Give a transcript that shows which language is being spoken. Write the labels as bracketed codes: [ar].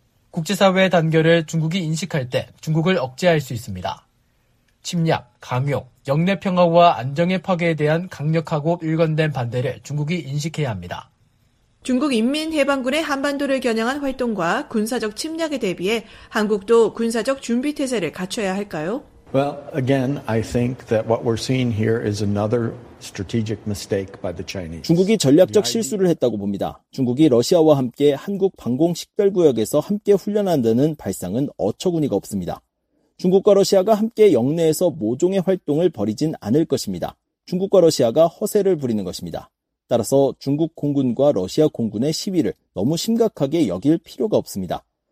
[ko] 국제사회의 단결을 중국이 인식할 때 중국을 억제할 수 있습니다. 침략, 강요, 영내 평화와 안정의 파괴에 대한 강력하고 일관된 반대를 중국이 인식해야 합니다. 중국 인민해방군의 한반도를 겨냥한 활동과 군사적 침략에 대비해 한국도 군사적 준비태세를 갖춰야 할까요? [en] Well, again, I think that what we're seeing here is another strategic mistake by the Chinese. [ko] 중국이 전략적 실수를 했다고 봅니다. 중국이 러시아와 함께 한국 방공 식별 구역에서 함께 훈련한다는 발상은 어처구니가 없습니다. 중국과 러시아가 함께 영내에서 모종의 활동을 벌이진 않을 것입니다. 중국과 러시아가 허세를 부리는 것입니다. 따라서 중국 공군과 러시아 공군의 시위를 너무 심각하게 여길 필요가 없습니다.